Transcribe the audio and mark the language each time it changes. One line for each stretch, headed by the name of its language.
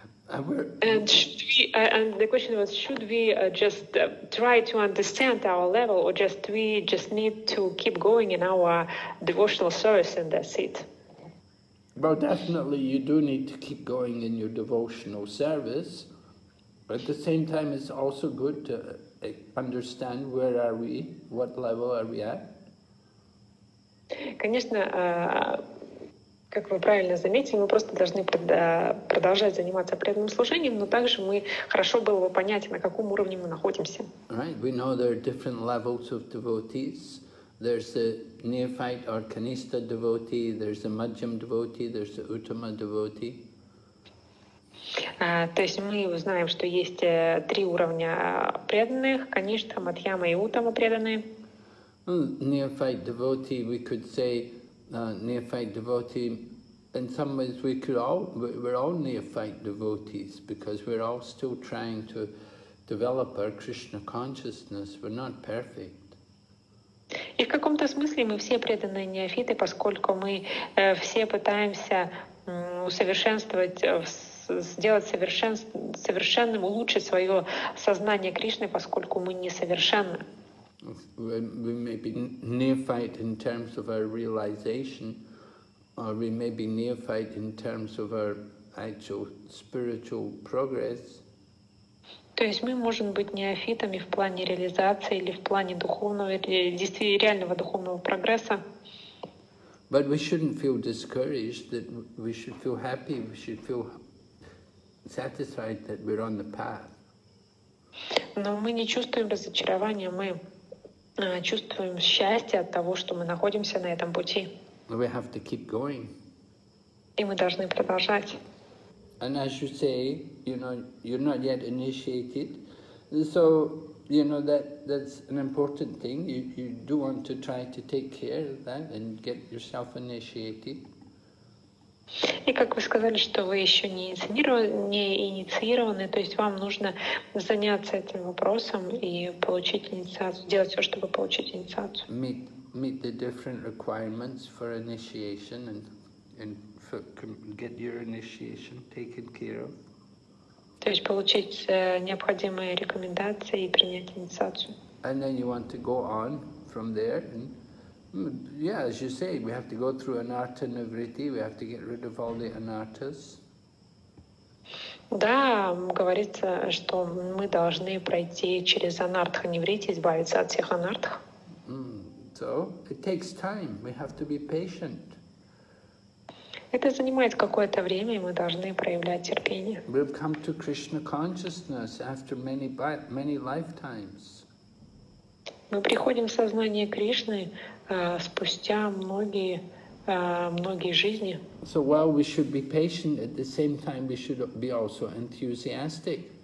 English: And the question was, should we just try to understand our level, or just we just need to keep going in our devotional service and that's it? Well, definitely you do need to keep going in your devotional service. But at the same time, it's also good to understand where are we, what level are we at.
Russian: Конечно, как вы правильно заметили, мы просто должны продолжать заниматься преданным служением, но также мы хорошо было бы понять, на каком уровне мы находимся.
English: Right, we know there are different levels of devotees. There's a neophyte or kanista devotee. There's a madhyam devotee. There's a uttama devotee.
Russian: То есть мы узнаем, что есть три уровня преданных: конечно, мадхьяма и уттама преданные.
English: Neophyte devotee, we could say neophyte devotee. In some ways, we're all neophyte devotees because we're all still trying to develop our Krishna consciousness. We're not perfect.
Russian: И в каком-то смысле мы все преданные неофиты, поскольку мы все пытаемся усовершенствовать, сделать совершенным, улучшить свое сознание Кришны, поскольку мы несовершенны.
English: We may be neophyte in terms of our realization, or we may be neophyte in terms of our actual spiritual progress.
Russian: То есть мы можем быть неофитами в плане реализации или в плане духовного, действительно реального духовного прогресса.
English: But we shouldn't feel discouraged, that we should feel happy, we should feel satisfied that we're on the path.
Russian: Но мы не чувствуем разочарования, мы чувствуем счастье от того, что мы находимся на этом пути.
English: We have to keep going.
Russian: И мы должны продолжать.
English: And as you say, you know, you're not yet initiated, so you know that's an important thing. You do want to try to take care of that and get yourself initiated.
Russian: И как вы сказали, что вы еще не инициированы, то есть вам нужно заняться этим вопросом и получить инициацию, делать все, чтобы получить инициацию.
English: Meet the different requirements for initiation and get your initiation taken care of.
Russian: То есть получить необходимые рекомендации и принять инициацию.
English: And then you want to go on from there. And, yeah, as you say, we have to go through anartha nivritti. We have to get rid of all the anarthas.
Russian: Да, говорится, что мы должны пройти через анартха нивритти, избавиться от всех анартх.
English: So it takes time. We have to be patient.
Russian: Это занимает какое-то время, и мы должны проявлять терпение.
English: We've come to Krishna consciousness after many lifetimes.
Russian: Мы приходим в сознание Кришны спустя многие жизни.
English: So while we should be patient, at the same time we should be also enthusiastic.